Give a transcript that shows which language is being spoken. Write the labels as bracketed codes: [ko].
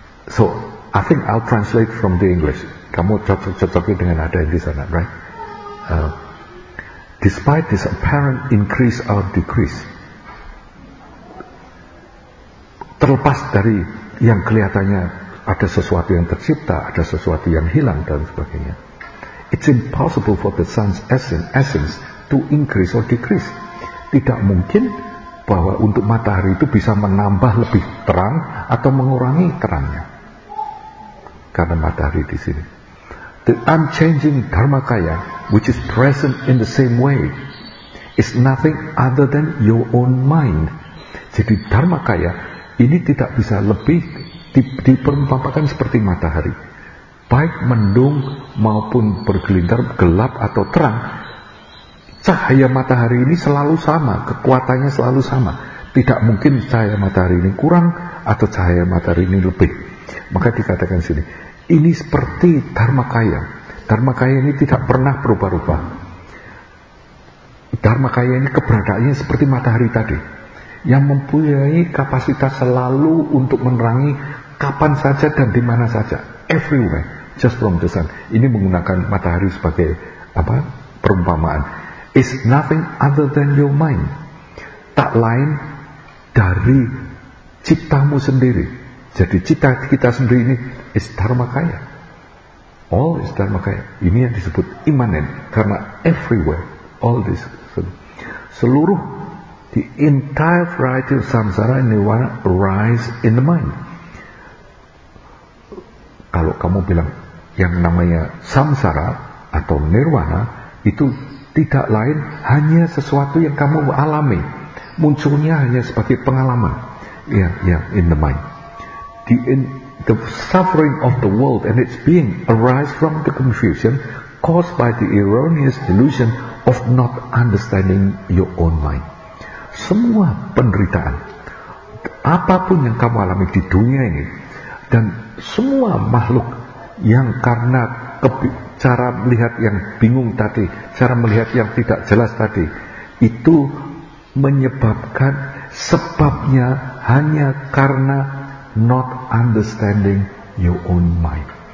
[en] So, I think I'll translate from the English. [id] Kamu cocok-cocoknya dengan ada yang di sana, right? [en] Despite this apparent increase or decrease, [id] terlepas dari yang kelihatannya ada sesuatu yang tercipta, ada sesuatu yang hilang dan sebagainya, [en] it's impossible for the sun's essence to increase or decrease. [id] Tidak mungkin bahwa untuk matahari itu bisa menambah lebih terang atau mengurangi terangnya, karena matahari di sini. [en] The unchanging dharmakaya, which is present in the same way, is nothing other than your own mind. [id] Jadi dharmakaya ini tidak bisa lebih diperumpamakan seperti matahari. Baik mendung maupun bergelintar, gelap atau terang, cahaya matahari ini selalu sama, kekuatannya selalu sama. Tidak mungkin cahaya matahari ini kurang atau cahaya matahari ini lebih. Maka dikatakan sini, ini seperti dharmakaya. Dharmakaya ini tidak pernah berubah-ubah. Dharmakaya ini keberadaannya seperti matahari tadi, yang mempunyai kapasitas selalu untuk menerangi kapan saja dan di mana saja, [en] everywhere, just from the sun. [id] Ini menggunakan matahari sebagai apa? Perumpamaan. [en] It's nothing other than your mind. [id] Tak lain dari ciptamu sendiri. Jadi cita kita sendiri ini is dharmakaya. [en] All is dharmakaya. [id] Ini yang disebut immanent, karena everywhere, [en] all this. [id] Seluruh, [en] the entire variety of samsara and nirvana arise in the mind. [id] Kalau kamu bilang yang namanya samsara atau nirvana itu tidak lain hanya sesuatu yang kamu alami, munculnya hanya sebagai pengalaman, [en] in the mind. The suffering of the world and its being arise from the confusion caused by the erroneous delusion of not understanding your own mind. [id] Semua penderitaan, apapun yang kamu alami di dunia ini, dan semua makhluk yang karena cara melihat yang bingung tadi, cara melihat yang tidak jelas tadi, itu menyebabkan sebabnya hanya karena [en] not understanding your own mind.